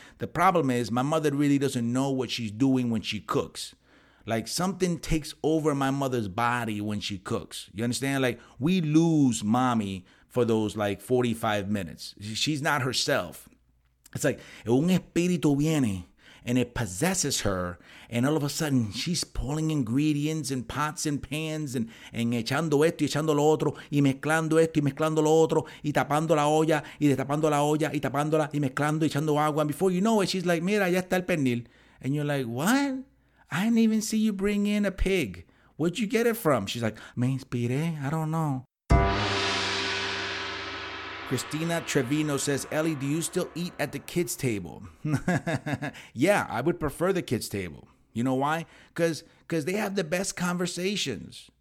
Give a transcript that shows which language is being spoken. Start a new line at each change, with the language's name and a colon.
English: The problem is my mother really doesn't know what she's doing when she cooks. Like something takes over my mother's body when she cooks. You understand? Like we lose mommy for those like 45 minutes. She's not herself. It's like,
Spanish: un espíritu viene
English: and it possesses her. And all of a sudden, she's pulling ingredients and pots and pans and
Spanish: echando esto y echando lo otro y mezclando esto y mezclando lo otro y tapando la olla y destapando la olla y tapándola y mezclando y echando agua.
English: And before you know it, she's like,
Spanish: mira, ya está el pernil.
English: And you're like, what? I didn't even see you bring in a pig. Where'd you get it from? She's like,
Spanish: me inspiré.
English: I don't know. Christina Trevino says, Ellie, do you still eat at the kids' table? Yeah, I would prefer the kids' table. You know why? Because they have the best conversations.